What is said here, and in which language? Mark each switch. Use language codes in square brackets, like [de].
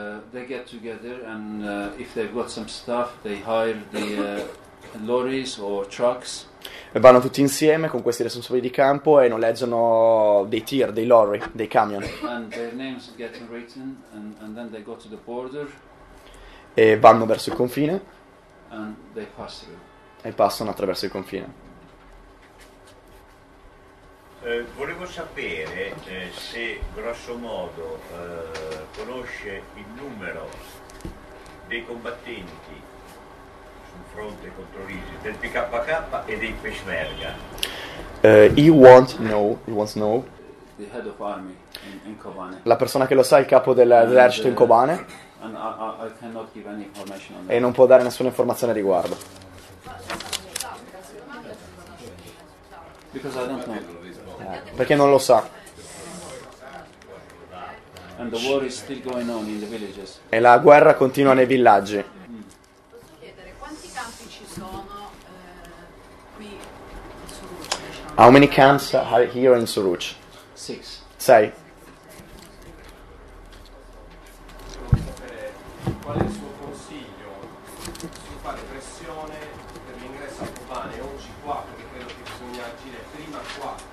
[en] They get together and if they've got some stuff, they hire the lorries or trucks. [it] E vanno tutti insieme con questi responsabili di campo e noleggiano dei tir, dei lorry, dei camion. [en] And their names get written and then they go to the border. [it] E vanno verso il confine. [en] And they pass through. [it] E passano attraverso il confine. Volevo sapere se grosso modo conosce il numero dei combattenti sul fronte contro l'ISIS, del PKK e dei Peshmerga. [en] He wants to know. The head of army in Kobane. [it] La persona che lo sa, il capo dell'esercito in Kobane. [en] And I cannot give any information on that. [it] E non può dare nessuna informazione a riguardo. [en] Because I don't know. [it] Perché non lo sa. [en] And the war is still going on in the villages. [it] E la guerra continua nei villaggi. Posso chiedere quanti campi ci sono qui in Suruc? [en] How many camps are here in Suruc? 6. [it] 6. Qual è il suo consiglio su fare pressione per l'ingresso a Kobane oggi qua, perché credo che bisogna agire prima qua.